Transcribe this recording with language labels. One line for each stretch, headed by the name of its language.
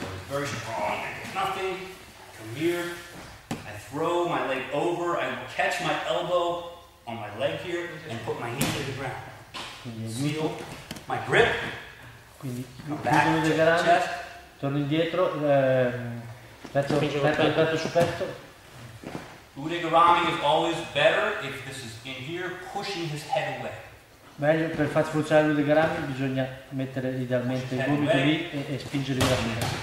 English: Very strong, I did nothing, come here. Throw my leg over, I will catch my elbow on my leg here and put my heel to the ground. Seal my grip.
Italian: Quindi
English: come back to the chest.
Italian: Torno indietro, petto su petto.
English: Udegarami is always better if this is in here, pushing his head away.
Italian: Meglio per far sforzare l'udegarami bisogna mettere idealmente il gomito lì e spingere da lì.